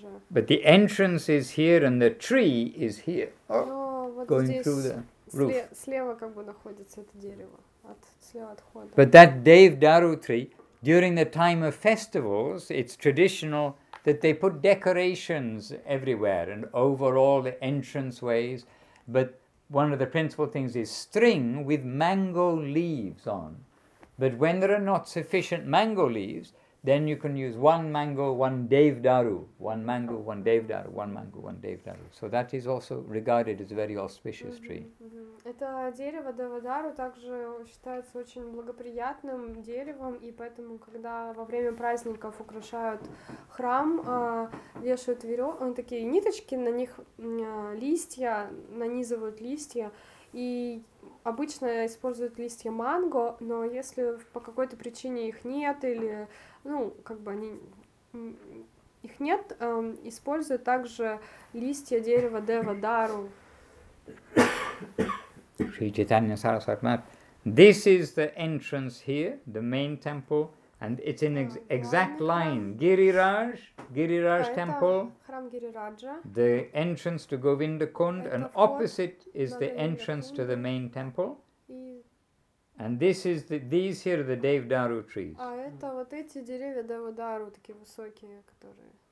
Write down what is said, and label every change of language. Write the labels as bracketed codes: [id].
[en] But the entrance is here and the tree is here. Oh, вот going through the roof. [ru] Слева как бы находится это дерево, слева отхода. [en] But that Devadaru tree, during the time of festivals, it's traditional that they put decorations everywhere and over all the entrance ways. But one of the principal things is string with mango leaves on. But when there are not sufficient mango leaves, then you can use one mango, one Devadaru. One mango, one Devadaru, one mango, one Devadaru. So that is also regarded as a very auspicious tree. [ru] Это дерево Девадару также считается очень благоприятным деревом, и поэтому, когда во время праздников украшают храм, вешают такие ниточки, на них листья, нанизывают листья, и обычно используют листья манго, но если по какой-то причине их нет или, ну, как бы они их нет, используют также листья дерева Девадару. Шри Чайтанья Сарасватмат. [en] This is the entrance here, the main temple, and it's in exact line. Гирирадж, Гирирадж temple. [ru] Храм Гирираджа. [en] The entrance to Govindakund, and opposite is the entrance to the main temple. And this is these here are the Devadaru trees. [ru] А это вот эти деревья Девадару, такие высокие, которые.